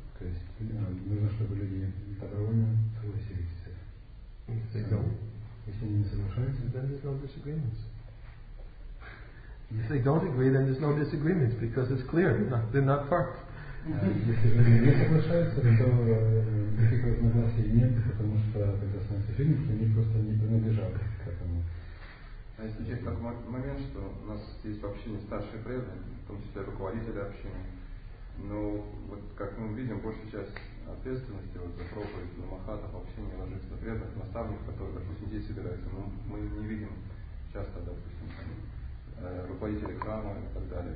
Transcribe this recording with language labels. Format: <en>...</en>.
<ru>То есть нужно, чтобы люди добровольно согласились.</ru> <en>If they don't,</en> <ru>если они не соглашаются,</ru> <en>then there's no disagreements. If they don't agree, then there's no disagreements because it's clear they're not part.</en> <ru>Если они не соглашаются, то никаких разногласий нет, потому что это становится видно, что они просто не принадлежали к этому. А если есть такой момент, что у нас есть вообще не старшие преданные, в том числе руководители общения, но вот как мы видим, большая часть ответственности вот, за проповедь, на махатов, общение ложится преданных, наставников, которые, допустим, здесь собираются, мы не видим часто, допустим, руководителей храма и так далее.</ru>